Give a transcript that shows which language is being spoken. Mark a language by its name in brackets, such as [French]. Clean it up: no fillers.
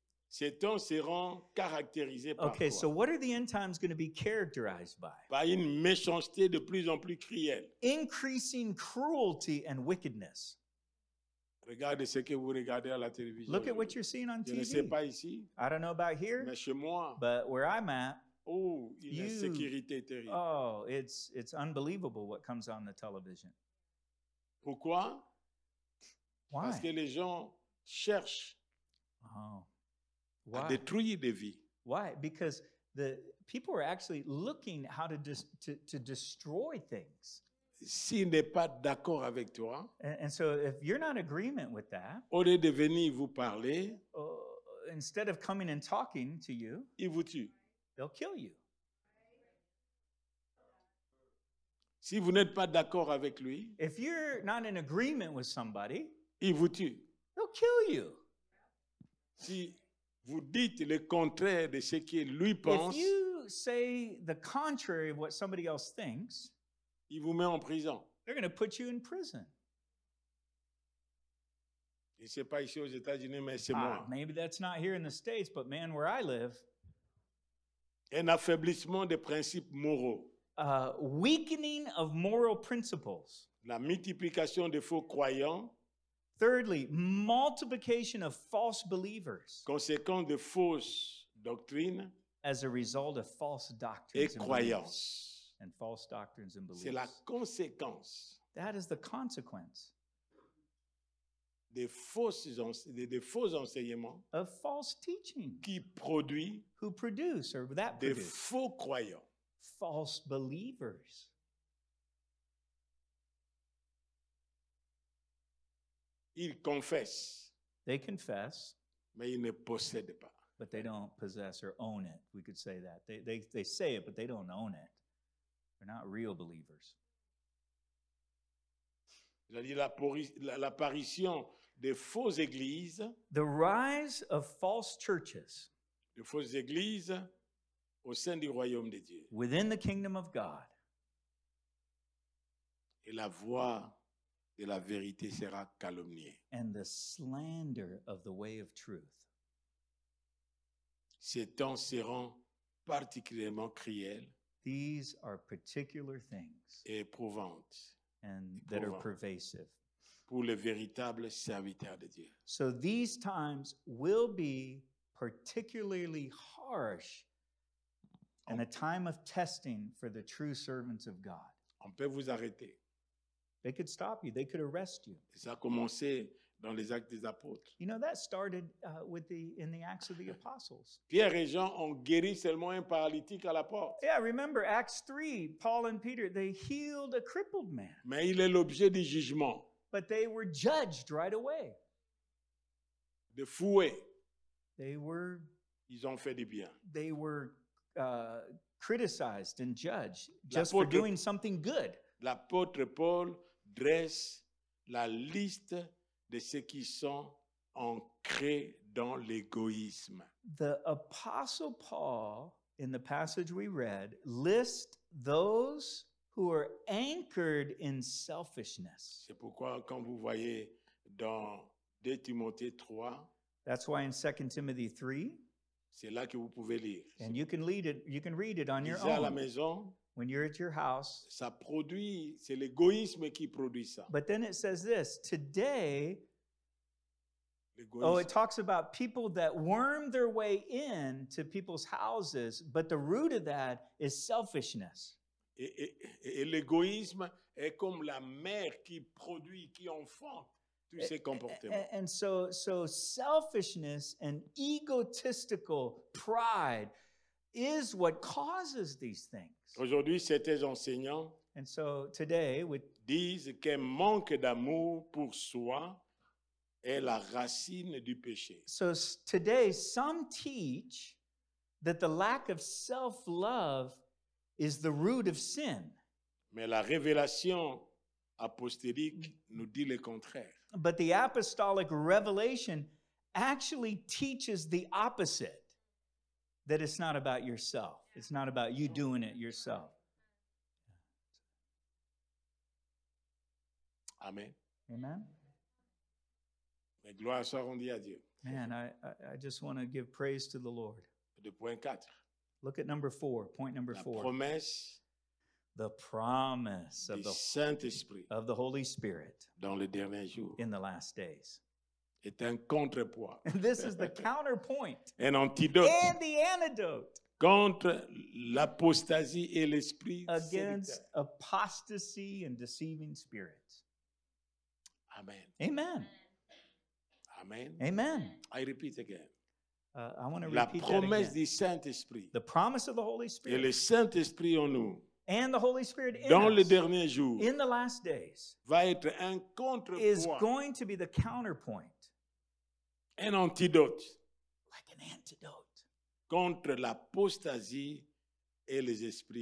[French] Ces temps seront caractérisés par [English] okay, [French] quoi? [English] So what are the end times going to be characterized by? [French] Par une méchanceté de plus en plus cruelle. [English] Increasing cruelty and wickedness. [French] Regardez ce que vous regardez à la télévision. [English] Look at what you're seeing on [French] je [English] TV. [French] Je ne sais pas ici. [English] I don't know about here. [French] Mais chez moi. [English] But where I'm at. [French] Oh, une insécurité terrible. [English] Oh, it's unbelievable what comes on the television. [French] Pourquoi? [English] Why? [French] Parce que les gens cherchent. Oh. [English] Why? [French] À détruire des vies. [English] Why? Because the people are actually looking how to destroy things. [French] S'il n'est pas d'accord avec toi, [English] and so if you're not in agreement with that, [French] au lieu de venir vous parler, [English] instead of coming and talking to you, [French] ils vous tuent. [English] They'll kill you. [French] Si vous n'êtes pas d'accord avec lui, [English] if you're not in agreement with somebody, [French] ils vous tuent. [English] They'll kill you. [French] Si vous dites le contraire de ce que lui pense. [English] If you say the contrary of what somebody else thinks, [French] il vous met en prison. [English] They're going to put you in prison. [French] Et c'est pas ici aux États-Unis, mais c'est moi. [English] Maybe that's not here in the States, but man, where I live. [French] Un affaiblissement des principes moraux. [English] Weakening of moral principles. [French] La multiplication des faux croyants. [English] Thirdly, multiplication of false believers. [French] Conséquence de fausses doctrines. [English] As a result of false doctrines [French] et croyances. [English] And false doctrines and beliefs. [French] C'est la conséquence. [English] That is the consequence. [French] Des faux enseignements. [English] Of false teaching. [French] Qui produit. [English] Who produce or that [French] des [English] produce. [French] Des faux croyants. [English] False believers. [French] Ils confessent. [English] They confess. [French] Mais ils ne possèdent pas. [English] But they don't possess or own it. We could say that. They say it, but they don't own it. They're not real believers. [French] L'apparition des fausses églises. [English] The rise of false churches. [French] De fausses églises au sein du royaume de Dieu. [English] Within the kingdom of God. [French] Et la voix de la vérité sera calomniée. [English] And the slander of the way of truth. [French] Ces temps seront particulièrement cruels. [English] These are particular things. [French] Et éprouvantes. [English] And that are pervasive. [French] Pour les véritables serviteurs de Dieu. [English] So these times will be particularly harsh and a time of testing for the true servants of God. [French] On peut vous arrêter. [English] They could stop you. They could arrest you. [French] Ça a commencé dans les Actes des Apôtres. [English] You know, that started in the Acts of the Apostles. [French] Pierre et Jean ont guéri seulement un paralytique à la porte. [English] Yeah, remember Acts 3, Paul and Peter, they healed a crippled man. [French] Mais il est l'objet du jugement. [English] But they were judged right away. [French] De fouet. [English] They were... [French] Ils ont fait du bien. [English] They were criticized and judged just for doing something good. [French] L'apôtre Paul dresse la liste de ceux qui sont ancrés dans l'égoïsme. [English] The Apostle Paul, in the passage we read, lists those who are anchored in selfishness. [French] C'est pourquoi quand vous voyez dans 2 Timothée 3, [English] that's why in 2 Timothy 3, [French] c'est là que vous pouvez lire. [English] And you can read it on your own. [French] À la maison, [English] when you're at your house, [French] ça produit, c'est l'égoïsme qui produit ça. [English] But then it says this, today, [French] l'égoïsme. [English] Oh, it talks about people that worm their way in to people's houses, but the root of that is selfishness. [French] Et l'égoïsme est comme la mère qui produit, qui enfante tous ces comportements. [English] And so selfishness and egotistical pride is what causes these things. [French] Aujourd'hui, certains enseignants [English] and so today, with, [French] disent qu'un manque d'amour pour soi est la racine du péché. [English] So today, some teach that the lack of self-love is the root of sin. [French] Mais la révélation apostolique nous dit le contraire. [English] But the apostolic revelation actually teaches the opposite. That it's not about yourself. It's not about you doing it yourself. Amen. Amen. [French] Mais gloire soit rendue à Dieu. [English] Man, I just want to give praise to the Lord. [French] De point quatre. [English] Look at number four. Point number [French] la [English] four. [French] Promesse. [English] The promise of the [French] Saint-Esprit [English] of the Holy Spirit. [French] Dans les derniers jours. [English] In the last days. [French] Est un contrepoids. [English] And this is the counterpoint. [French] Un antidote. [English] And the antidote. [French] Contre l'apostasie et l'esprit. [English] Against apostasy and deceiving spirits. Amen. Amen. Amen. Amen. I repeat again. I want to [French] la [English] repeat [French] promesse [English] that again. [French] Du Saint-Esprit. [English] The promise of the Holy Spirit. [French] Et le Saint-Esprit en nous. [English] And the Holy Spirit in [French] dans [English] us, [French] les derniers jours. [English] In the last days. [French] Va être un contrepoids. [English] Is going to be the counterpoint. [French] Un antidote, [English] like an antidote [French] contre l'apostasie et les esprits